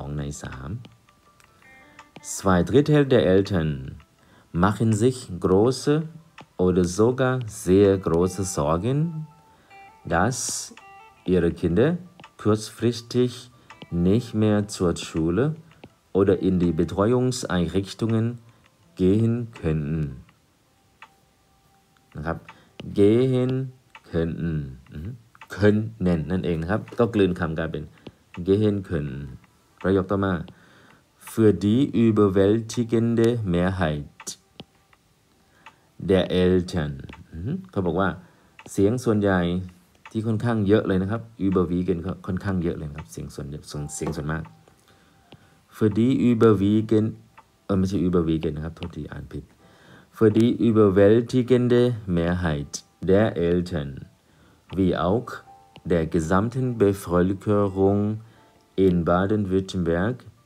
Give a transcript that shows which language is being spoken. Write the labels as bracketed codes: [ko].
[de] 2/3 der Eltern machen sich große oder sogar sehr große Sorgen dassihre Kinder kurzfristig nicht mehr zur Schule oder in die Betreuungseinrichtungen gehen könnten. [th] นะครับ [de] gehen könnten können [th] นั่นเองนะครับก็กลืนคำกลายเป็น [de] gehen können [th] ประโยคต่อมา [de] für die überwältigende Mehrheit der Eltern [th] เขาบอกว่าเสียงส่วนใหญ่ที่ค่อนข้างเยอะเลยนะครับ überwiegend ค่อนข้างเยอะเลยครับเสียงส่วนมาก [de] für die überwiegend [th] ไม่ใช่ [de] überwiegend [th] นะครับโทษทีอ่านผิด [de] für die überwältigende Mehrheit der Eltern wie auch der gesamten Bevölkerung in Baden-Württemberg